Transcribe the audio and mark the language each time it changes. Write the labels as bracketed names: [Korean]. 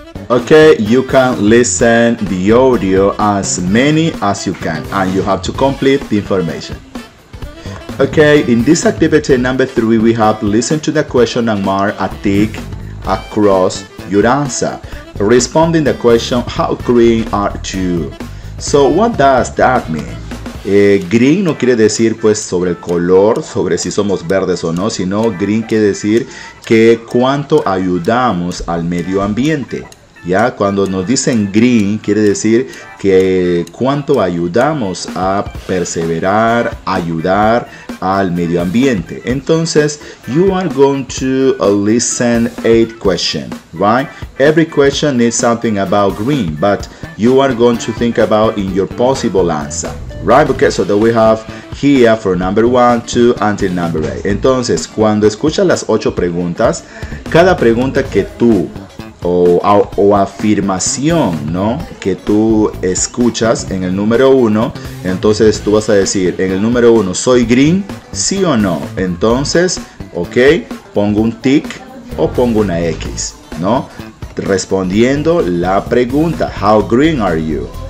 [English] Okay, you can listen the audio as many as you can, and you have to complete the information. Okay, in this activity number three, we have listen to the question and mark a tick across your answer. Responding the question, how green are you? So what does that mean? [Spanish] Green no quiere decir pues sobre el color, sobre si somos verdes o no, sino green quiere decir que cuánto ayudamos al medio ambiente. Ya, cuando nos dicen green, quiere decir que cuánto ayudamos a perseverar, ayudar al medio ambiente. [English] Entonces, you are going to listen 8 questions, right? Every question needs something about green, but you are going to think about in your possible answer, right? Okay, so that we have here for number 1, 2, until number 8. [Spanish] Entonces, cuando escuchas las 8 preguntas, cada pregunta que tú o afirmación, ¿no?, que tú escuchas en el número 1, entonces tú vas a decir en el número 1, ¿soy green? ¿Sí o no? Entonces, ok, pongo un tick o pongo una X, ¿no? Respondiendo la pregunta, [English] how green are you?